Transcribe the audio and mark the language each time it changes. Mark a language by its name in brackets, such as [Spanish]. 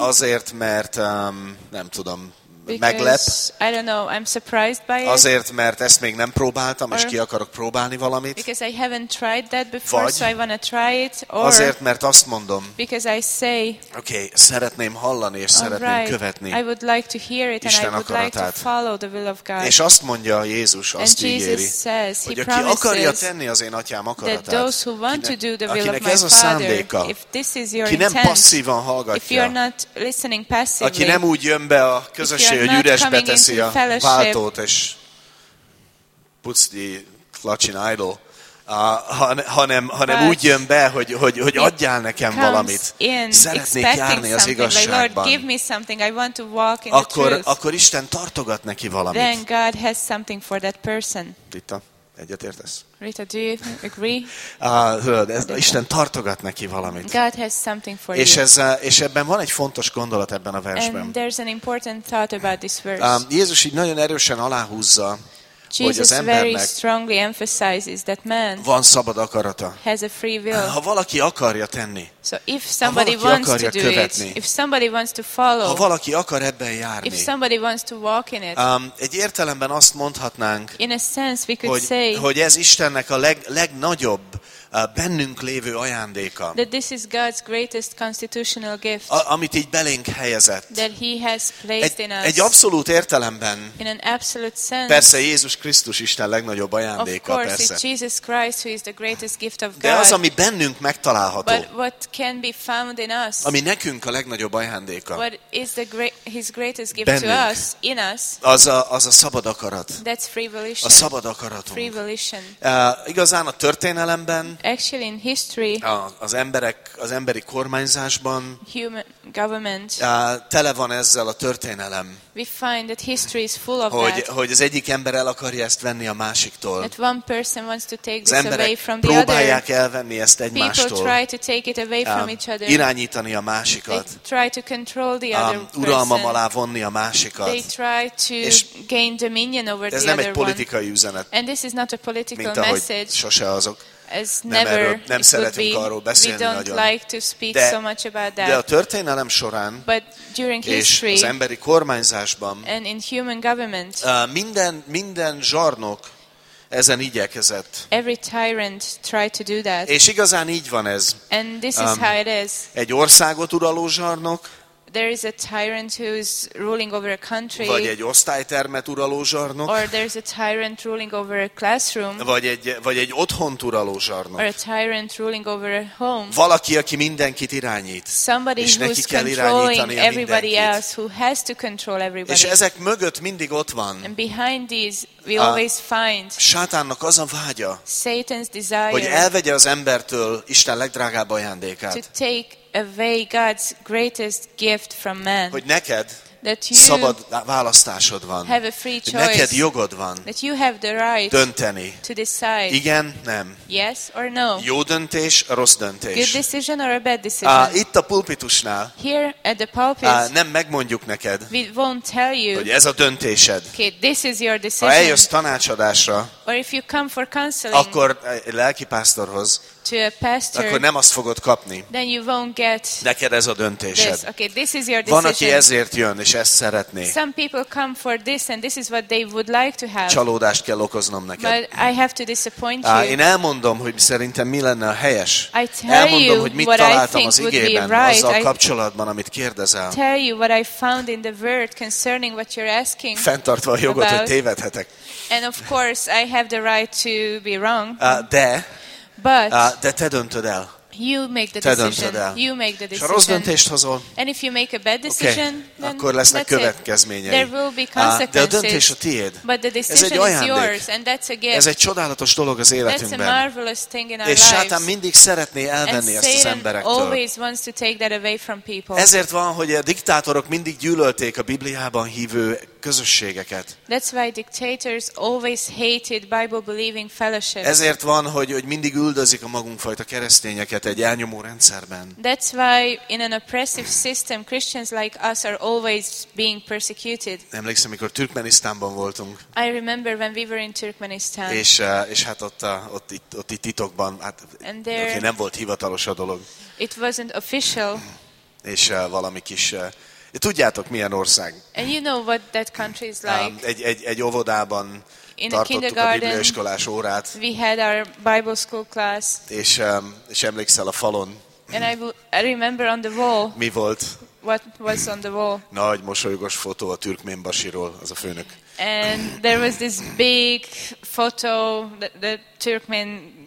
[Hungarian] Azért, mert nem tudom, meglep. [English] I don't know, I'm surprised by it. [Hungarian] Azért, mert ezt még nem próbáltam, és ki akarok próbálni valamit. [English] Because I haven't tried that before, so I want to try it. Or [Hungarian] azért, mert azt mondom. [English] Because I say. [Hungarian] Okay, szeretném hallani és szeretném követni. [English] I would like to hear it [Hungarian] Isten [English] and I would [Hungarian] akaratát. [English] Like to follow the will of God. [Hungarian] És azt mondja Jézus, azt ígéri, [English] says, [Hungarian] hogy aki akarja tenni az én atyám akaratát, [English] those who want to do the will [Hungarian] akinek [English] of my [Hungarian] ez a szándéka, [English] if this is your [Hungarian] aki nem [English] intent, [Hungarian] passzívan hallgatja, [English] if you're not listening passively, [Hungarian] aki nem úgy jön be a közösségbe, hogy üres beteszi a váltót, és [English] puts the clutch in idle, [Hungarian] hanem úgy jön be, hogy adjál nekem valamit, szeretnék járni az igazságban, [English] like, Lord, I want to walk in [Hungarian] akkor Isten tartogat neki valamit. [English] Then God has something for that person. [Hungarian] Rita, egyetértesz? [English] Rita, do you agree? [Hungarian] Isten tartogat neki valamit. [English] God has something for [Hungarian] és [English] you. [Hungarian] És ebben van egy fontos gondolat ebben a versben. [English] And there's an important thought about this verse. [Hungarian] Jézus így nagyon erősen aláhúzza, [English] Jesus [Hungarian] hogy az [English] very strongly emphasizes that man [Hungarian] van szabad akarata. [English] Has a free will. [Hungarian] Ha valaki akarja tenni, [English] so if somebody wants to do [Hungarian] követni, [English] it, if somebody wants to follow, [Hungarian] ha valaki akar ebben járni, [English] if somebody wants to walk in it, [Hungarian] egy értelemben azt mondhatnánk, [English] in a sense we could [Hungarian] hogy, [English] say, [Hungarian] hogy ez Istennek a legnagyobb bennünk lévő ajándéka, [English] that this is God's greatest constitutional gift, [Hungarian] amit így belénk helyezett, [English] that he has placed in us. [Hungarian] Egy abszolút értelemben, [English] in an absolute sense, [Hungarian] persze Jézus Krisztus Isten legnagyobb ajándéka, [English] of course, [Hungarian] persze. [English] It's Jesus Christ who is the greatest gift of God. [Hungarian] De az, ami bennünk megtalálható, [English] but what can be found in us, [Hungarian] ami nekünk a legnagyobb ajándéka, [English] what is the his greatest gift [Hungarian] bennünk, [English] to us, in us, [Hungarian] az a szabad akarat. [English] That's free volition. [Hungarian] A szabad akaratunk. [English] Free volition. [Hungarian] Igazán a történelemben, [English] actually in history, [Hungarian] az emberi kormányzásban, [English] human government, [Hungarian] tele van ezzel a történelem. [English] We find that history is full of [Hungarian] hogy az egyik ember el akarja ezt venni a másiktól. [English] That one person wants to take this away from the other. [Hungarian] Próbálják elvenni ezt egymástól. [English] People try to take it away from each other. [Hungarian] Irányítani a másikat. [English] They try to control the other person. [Hungarian] Uralmam alá vonni a másikat. [English] They try to gain dominion over the other one. [Hungarian] Ez nem egy politikai üzenet. [English] And this is not a political message. [Hungarian] Sose azok. [English] As never, [Hungarian] nem szeretünk arról beszélni nagyon. [English] Like to speak [Hungarian] de, [English] so much about that. [Hungarian] De a történelem során, [English] history, [Hungarian] és az emberi kormányzásban, [English] and in human government, [Hungarian] minden zsarnok ezen igyekezett. [English] Every tyrant tried to do that. [Hungarian] És igazán így van ez. [English] And this is how it is. [Hungarian] Egy országot uraló zsarnok, [English] there is a tyrant who is ruling over a country. [Hungarian] Vagy egy osztálytermet uraló zsarnok. [English] Or there is a tyrant ruling over a classroom. [Hungarian] Vagy egy otthont uraló zsarnok. [English] Or a tyrant ruling over a home. [Hungarian] Valaki, aki mindenkit irányít. [English] Somebody [Hungarian] és neki kell irányítani [English] everybody else who has to control everybody. [Hungarian] És ezek mögött mindig ott van. [English] And behind these we always find. [Hungarian] Sátánnak az a vágya. [English] Satan's desire. [Hungarian] Hogy elvegye az embertől Isten legdrágább ajándékát. [English] To take away God's greatest gift from man. [Hungarian] Hogy neked, [English] that you [Hungarian] szabad választásod van. [English] Have a free choice, [Hungarian] neked jogod van. [English] That you have the right [Hungarian] dönteni. [English] To decide. [Hungarian] Igen, nem. [English] Yes or no. [Hungarian] Jó döntés, rossz döntés. [English] Good decision or a bad decision. [Hungarian] Itt a pulpitusnál. [English] Here at the pulpit. [Hungarian] Nem megmondjuk neked. [English] We won't tell you. [Hungarian] Hogy ez a döntésed. [English] Okay, this is your decision. [Hungarian] Ha eljössz tanácsadásra. [English] Or if you come for counseling. [Hungarian] Akkor lelki pásztorhoz. [English] To a pastor, [Hungarian] akkor nem azt fogod kapni. [English] Then you won't get. [Hungarian] Neked ez a döntésed. [English] This. Okay, this is your decision. [Hungarian] Van, aki ezért jön és ezt szeretné. [English] Some people come for this and this is what they would like to have. [Hungarian] Csalódást kell okoznom neked. [English] But I have to disappoint you. [Hungarian] Én elmondom, hogy szerintem mi lenne a helyes. [English] I tell [Hungarian] elmondom, [English] you [Hungarian] hogy mit találtam az igében, [English] right. [Hungarian] Azzal kapcsolatban, amit kérdezel. [English] Tell you what I found in the word concerning what you're asking. [Hungarian] Fenntartva a jogot, hogy tévedhetek. [English] And of course I have the right to be wrong. [Hungarian] De [English] but [Hungarian] de te döntöd el. [English] You make the decision. You make the decision. [Hungarian] És ha rossz döntést hozol, [English] and if you make a bad decision, [Hungarian] okay, akkor lesznek következményei. [English] There will be consequences. [Hungarian] De a döntés a tiéd. [English] But the decision [Hungarian] ez egy ajándék. [English] Is yours, and that's a gift. [Hungarian] Ez egy csodálatos dolog az életünkben. [English] That's a marvelous thing in our lives. [Hungarian] És Sátán mindig szeretné elvenni [English] and [Hungarian] ezt az emberektől. [English] Satan always wants to take that away from people. [Hungarian] Ezért van, hogy a diktátorok mindig gyűlölték a Bibliában hívő közösségeket. [English] That's why dictators always hated Bible-believing fellowships. [Hungarian] Ezért van, hogy mindig üldözik a magunk fajta keresztényeket egy elnyomó rendszerben. [English] That's why in an oppressive system Christians like us are always being persecuted. [Hungarian] Emlékszem, amikor Türkmenisztánban voltunk. [English] I remember when we were in Turkmenistan. [Hungarian] És hát ott itt titokban, hát [English] there, [Hungarian] okay, nem volt hivatalos a dolog. [English] It wasn't official. [Hungarian] És valami kis tudjátok, milyen ország. [English] And you know what that country is like. [Hungarian] Egy óvodában [English] in [Hungarian] tartottuk a bibliaiskolás órát. [English] We had our Bible school class. [Hungarian] És emlékszel a falon. [English] And I remember on the wall. [Hungarian] Mi volt? [English] What was on the wall? [Hungarian] Nagy mosolygos fotó a türkmén basiról, az a főnök. [English] And there was this big photo the Turkmen